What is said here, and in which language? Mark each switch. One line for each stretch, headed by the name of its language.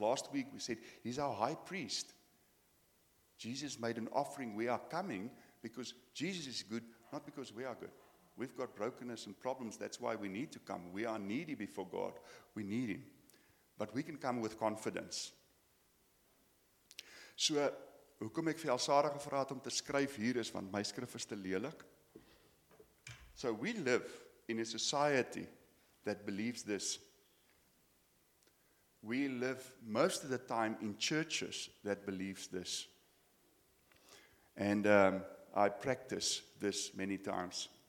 English: Last week we said he's our high priest. Jesus made an offering. We are coming because Jesus is good, not because we are good. We've got brokenness and problems. That's why we need to come. We are needy before God. We need him. But we can come with confidence. So
Afrikaans: hoekom ek vir Elsara gevra het om te skryf hier is, want my skrif is te lelik.
English: So we live in a society that believes this. We live most of the time in churches that believes this. And I practice this many times.